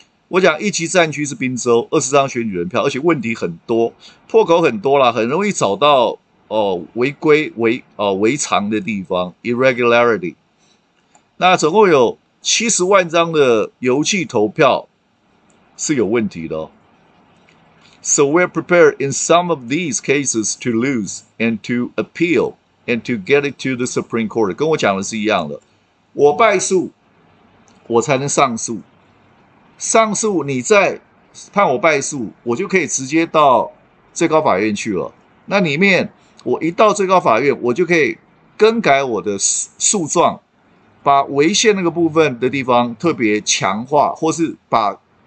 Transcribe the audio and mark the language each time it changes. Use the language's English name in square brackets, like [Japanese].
[Chinese] 我讲一级战区是宾州，二十张选举人票，而且问题很多，破口很多啦，很容易找到违规违常的地方 irregularity。那总共有700,000张的邮寄投票是有问题的哦。 [English] So we're prepared in some of these cases to lose and to appeal and to get it to the Supreme Court. [Chinese] 跟我讲的是一样的，我败诉，我才能上诉。上诉你再判我败诉，我就可以直接到最高法院去了。那里面我一到最高法院，我就可以更改我的诉状，把违宪那个部分的地方特别强化，或是把。